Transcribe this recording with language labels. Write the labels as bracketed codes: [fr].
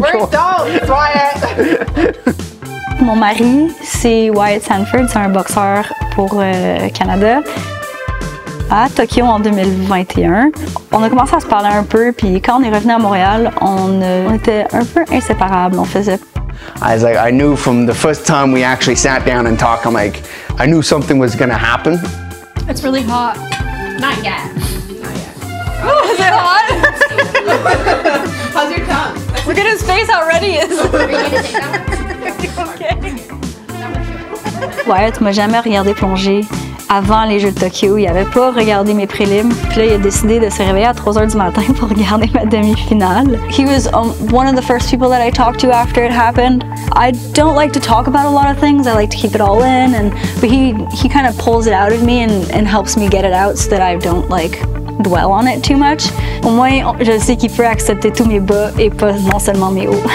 [en] Where's Dom, Wyatt? [fr] Mon mari, c'est Wyatt Sanford. C'est un boxeur pour Canada. À Tokyo en 2021. On a commencé à se parler un peu, puis quand on est revenu à Montréal, on était un peu inséparables, on faisait. [en] I was like, I knew from the first time we actually sat down and talked, I'm like, I knew something was gonna happen. It's really hot. Not yet. Not yet. Oh, is it hot? How's your tongue? Look at his face, how red he is. [fr] Okay. Wyatt m'a jamais regardé plonger. Avant les Jeux de Tokyo, il n'avait pas regardé mes prélims. Puis là, il a décidé de se réveiller à 3h du matin pour regarder ma demi-finale. [en] He was one of the first people that I talked to after it happened. I don't like to talk about a lot of things. I like to keep it all in. But he kind of pulls it out of me and helps me get it out so that I don't like dwell on it too much. [fr] Au moins, je sais qu'il peut accepter tous mes bas et pas non seulement mes hauts.